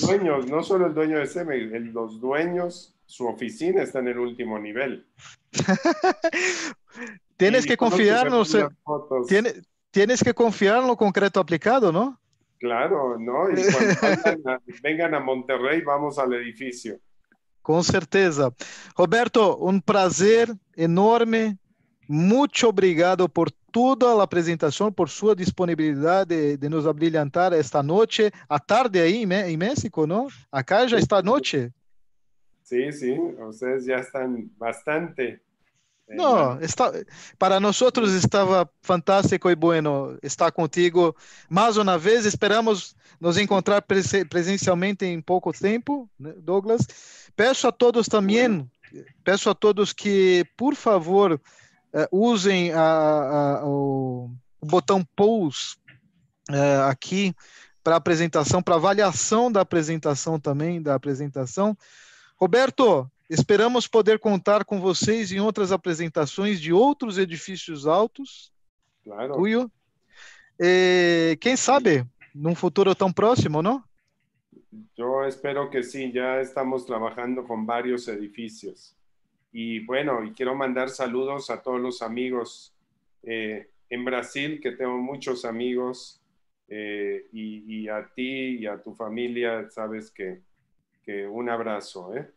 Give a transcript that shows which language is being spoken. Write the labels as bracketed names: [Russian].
[Spanish] Dueños, no solo el dueño de Cemex, los dueños, su oficina está en el último nivel. Tienes que confiarnos. Tienes que confiar en lo concreto aplicado, ¿no? Claro, ¿no? Y cuando vengan a Monterrey, vamos al edificio. Con certeza. Roberto, un placer enorme. [Portuguese] Muito obrigado por toda a apresentação, por sua disponibilidade de nos abrilhantar esta noite, à tarde aí em México, não? Acá já está à noite. Sim, sim, vocês já estão bastante. Não, para nós estava fantástico e bueno estar contigo mais uma vez. Esperamos nos encontrar presencialmente em pouco tempo, Douglas. Peço a todos também, peço a todos que, por favor, usem o botão pause aqui para apresentação, para avaliação da apresentação também, da apresentação. Roberto, esperamos poder contar com vocês em outras apresentações de outros edifícios altos. Claro. Quem sabe, num futuro tão próximo, não? [Spanish] Yo espero que sí, ya estamos trabajando con varios edificios. Y bueno, y quiero mandar saludos a todos los amigos en Brasil, que tengo muchos amigos, y a ti y a tu familia, sabes que un abrazo.